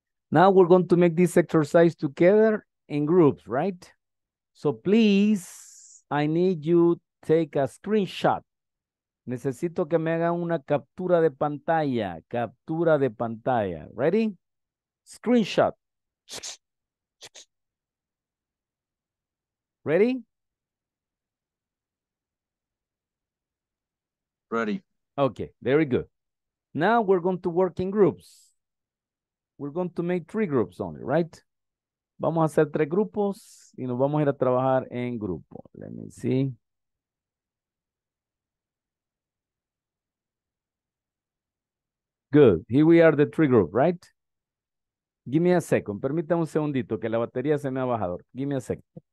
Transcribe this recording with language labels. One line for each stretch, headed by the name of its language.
English: Now we're going to make this exercise together in groups, right? So please, I need you take a screenshot.
Spanish: Necesito que me hagan una captura de pantalla. Captura de pantalla.
English: Ready? Screenshot. Ready? Ready. Okay, very good. Now we're going to work in groups. We're going to make three groups only, right?
Spanish: Vamos a hacer tres grupos y nos vamos a ir a trabajar en grupo.
English: Let me see. Good. Here we are, the three group, right? Give me a second.
Spanish: Permítame un segundito que la batería se me ha bajado.
English: Give me a second.